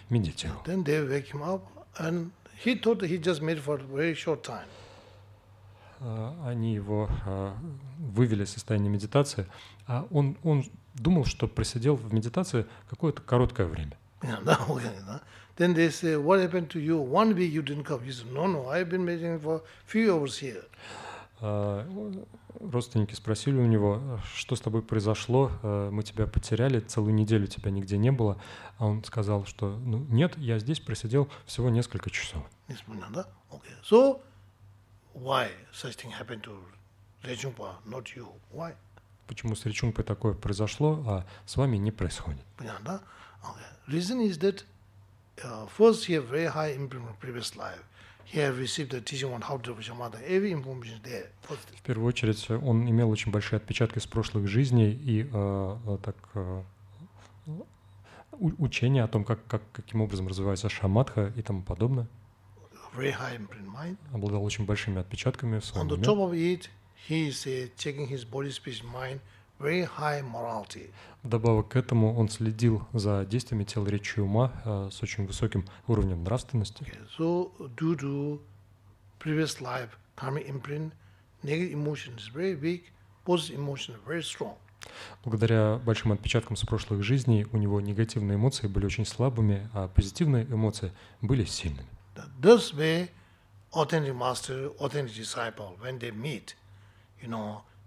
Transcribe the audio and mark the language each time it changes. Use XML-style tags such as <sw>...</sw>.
<ru>медитировал.</ru> <en>He thought he just made for a very short time.</en> <ru>Они его вывели из состояния медитации, а он думал, что просидел в медитации какое-то короткое время.</ru> <en>Then they say, what happened to you? One week you didn't come. He said, no, I've been meditating for a few hours here.</en> <ru>Родственники спросили у него, что с тобой произошло, мы тебя потеряли, целую неделю тебя нигде не было. А он сказал, что нет, я здесь просидел всего несколько часов. Не понял, да?</ru> <en>Okay. So, why such thing happened to Ли Чжунгпа, not you? Why?</en> <ru>Почему с Ли Чжунгпой такое произошло, а с вами не происходит? Понятно, да?</ru> <en>Okay. Reason is that first he had very high impression of previous life. He had received the teaching on how to approach your mother. Every information there.</en> <ru>В первую очередь, он имел очень большие отпечатки с прошлых жизней и так учение о том, каким образом развивается шамадха и тому подобное.</ru> <en>Very high imprint mind.</en> <ru>Обладал очень большими отпечатками в своем уме.</ru> <en>On the top of it, he is taking his body, speech, mind. Very high morality.</en> <ru>Вдобавок к этому он следил за действиями тела, речи и ума с очень высоким уровнем нравственности.</ru> <en>Okay. So due to previous life karmic imprint, negative emotion is very weak, positive emotion is very strong.</en> <ru>Благодаря большим отпечаткам с прошлых жизней у него негативные эмоции были очень слабыми, а позитивные эмоции были сильными.</ru> <en>This way, authentic master, authentic disciple, when they meet, you know.</en>